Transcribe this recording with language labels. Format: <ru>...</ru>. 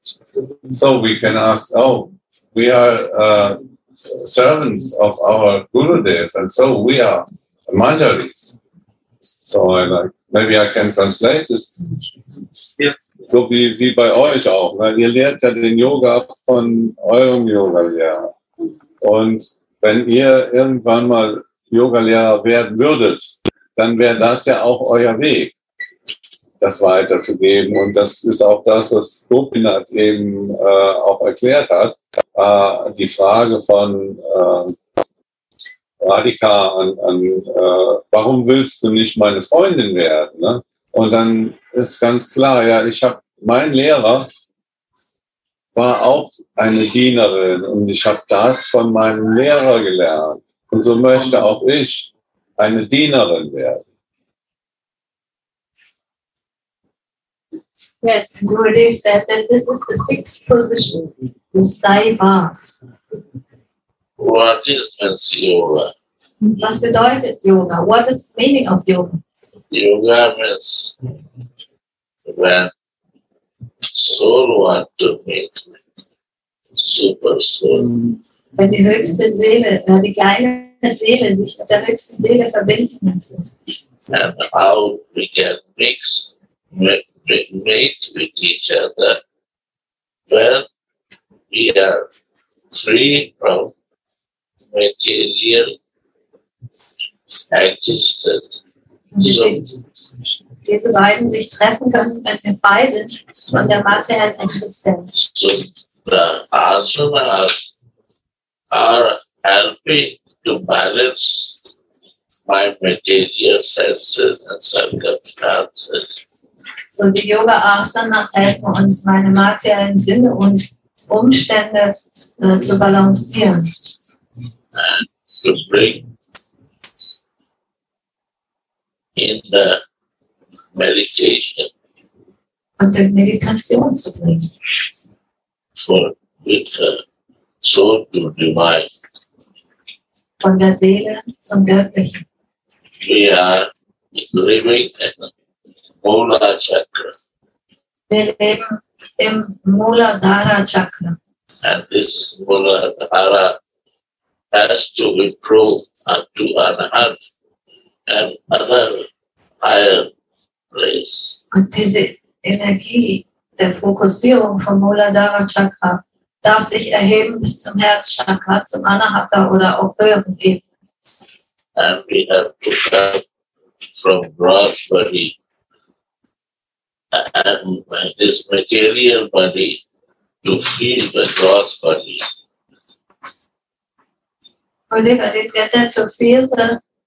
<en>So we can ask, oh, we are servants of our Gurudev, and so we are Manjaris. So I like, maybe I can translate this.</en> <de>So wie bei euch auch, ne? Ihr lehrt ja den Yoga von eurem Yogalehrer. Und wenn ihr irgendwann mal Yogalehrer werden würdet, dann wäre das ja auch euer Weg, das weiterzugeben. Und das ist auch das, was Gopinath eben auch erklärt hat. Die Frage von Radhika an warum willst du nicht meine Freundin werden? Ne? Und dann ist ganz klar, ja, mein Lehrer war auch eine Dienerin und ich habe das von meinem Lehrer gelernt. Und so möchte auch ich eine Dienerin werden.</de> <en>Yes, Gurudev said that this is the fixed position, the Saiva. What is this yoga?</en> <de>Was bedeutet Yoga?</de> <en>What is the meaning of Yoga? Yoga means when soul want to meet super soul.</en> <de>Wenn die höchste Seele, die kleine Seele sich mit der höchsten Seele verbinden möchte.</de> <en>And how we can mix, mate with each other when we are free from material existence.</en> <de>So, diese beiden sich treffen können, wenn wir frei sind von der materiellen Existenz.</de> <en>So, the asanas are helping to balance my material senses and circumstances.</en> <de>So, die Yoga Asanas helfen uns, meine materiellen Sinne und Umstände zu balancieren.</de> <en>And to bring in the meditation.</en> <de>Unter Meditation zu bringen.</de> <en>For with the soul to divine.</en> <de>Von der Seele zum Göttlichen.</de> <en>We are living in Mula Chakra.</en> <de>Wir leben im Mula Dhara Chakra.</de> <en>And this Mula Dhara has to improve up to Anahat and other higher place.</en> <de>Und diese Energie der Fokussierung vom Mula Dhara Chakra darf sich erheben bis zum Herzchakra, zum Anahata oder auch höheren Ebenen.</de> <en>And we have to come from gross body. And this material body to feel the gross body. Oliver, did you get that to feel the</en>